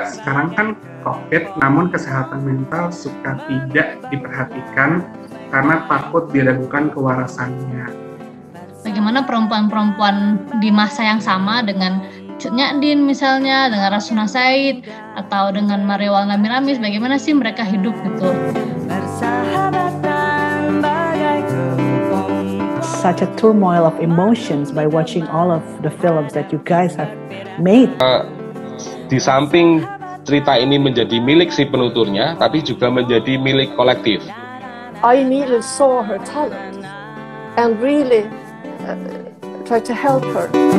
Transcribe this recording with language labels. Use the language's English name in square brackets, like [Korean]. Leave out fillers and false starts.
[Indonesian] Sekarang kan COVID, namun kesehatan mental suka tidak diperhatikan karena takut diragukan kewarasannya. Bagaimana perempuan-perempuan di masa yang sama dengan Cutnya Din misalnya, dengan Rasuna Said, atau dengan Mariwal Namiramis, bagaimana sih mereka hidup gitu? [English] Such a turmoil of emotions by watching all of the films that you guys have made. [Indonesian] Di samping cerita ini menjadi milik si penuturnya, tapi juga menjadi milik kolektif. [English] I immediately saw her talent and really tried to help her.